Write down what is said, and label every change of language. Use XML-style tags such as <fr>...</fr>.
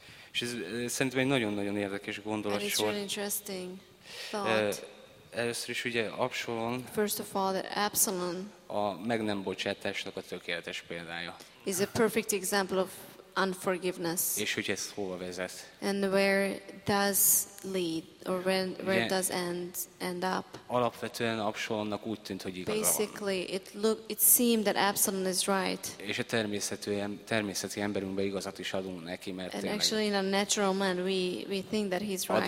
<hu>És ez szerintem egy nagyon-nagyon érdekes gondolat sor.</hu> <en>Really interesting thought.</en> <hu>Először is ugye Absalom.</hu> <en>First of all, that Absalom</en> <hu>a meg nem bocsátásnak a tökéletes példája.</hu> <en>Is a perfect example of unforgiveness.</en> <hu>És hogy ez hova vezet?</hu> <en>And where does lead or where does end up?</en> <hu>Alapvetően Absalomnak úgy tűnt, hogy igaza van.</hu> <en>Basically, it seemed that Absalom is right.</en> <hu>És a természeti emberünkben igazat is adunk neki, mert</hu> <en>and actually in a natural man we think that he's right.</en>